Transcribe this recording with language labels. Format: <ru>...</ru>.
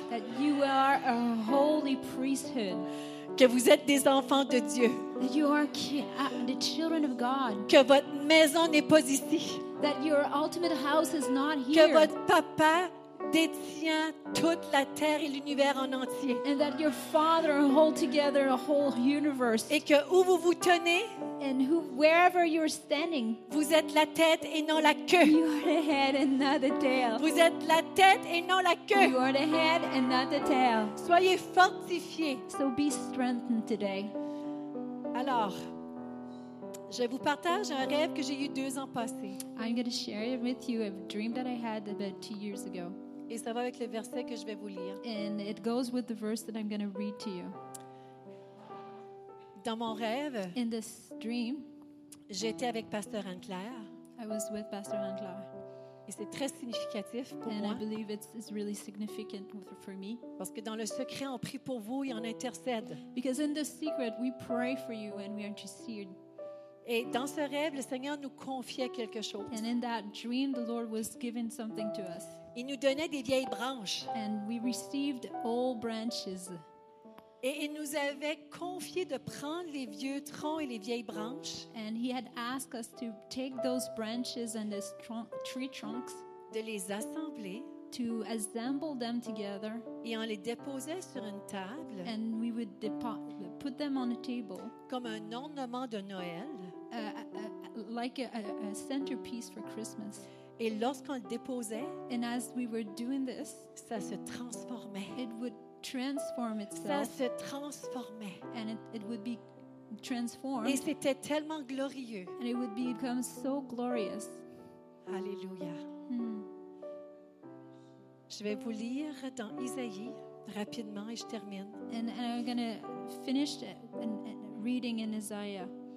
<en>That you are a holy priesthood.</en> <fr>que vous êtes des enfants de Dieu.</fr> <en>You are the children of God.</en> <fr>Que votre maison n'est pas ici.</fr> <en>That your ultimate house is not here.</en> <fr>Que votre papa détient toute la terre et l'univers en entier.</fr> <en>And that your father holds together a whole universe.</en> <fr>Et que où vous vous tenez,</fr> <en>and who, wherever you're standing,</en> <fr>vous êtes la tête et non la queue.</fr> <en>You are the head and not the tail.</en> <fr>Vous êtes la tête et non la queue.</fr> <en>You are the head and not the tail.</en> <fr>Soyez fortifiés.</fr> <en>So be strengthened today.</en> <fr>Alors, je vous partage un rêve que j'ai eu 2 ans passés.</fr> <en>I'm going to share it with you a dream that I had about 2 years ago.</en> <fr>Et ça va avec le verset que je vais vous lire.</fr> <en>And it goes with the verse that I'm going to read to you.</en> <fr>Dans mon rêve,</fr> <en>in this dream,</en> <fr>j'étais avec Pasteur Anne-Claire.</fr> <en>I was with Pastor Anne-Claire.</en> <fr>Et c'est très significatif pour</fr> <en>and</en> <fr>moi.</fr> <en>And I believe it's really significant for me.</en> <fr>Parce que dans le secret, on prie pour vous et on intercède.</fr> <en>Because in the secret, we pray for you and we intercede.</en> <fr>Et dans ce rêve, le Seigneur nous confiait quelque chose.</fr> <en>And in that dream, the Lord was giving something to us.</en> <fr>Il nous donnait des vieilles branches.</fr> <en>And we received old branches.</en> <fr>Et il nous avait confié de prendre les vieux troncs et les vieilles branches.</fr> <en>And he had asked us to take those branches and the tree trunks.</en> <fr>De les assembler.</fr> <en>To assemble them together.</en> <fr>Et on les déposait sur une table.</fr> <en>And we would put them on a table.</en> <fr>Comme un ornement de Noël.</fr> <en>Like a centerpiece for Christmas.</en> <fr>Et lorsqu'on le déposait,</fr> <en>and as we were doing this,</en> <fr>ça se transformait.</fr> <en>It would transform itself.</en> <fr>Ça se transformait.</fr> <en>And it would be transformed.</en> <fr>Et c'était tellement glorieux.</fr> <en>And it would become so glorious. Alléluia.</en> <fr>Je vais vous lire dans Isaïe rapidement et je termine.</fr> <en>And I'm going to finish reading in Isaiah.</en>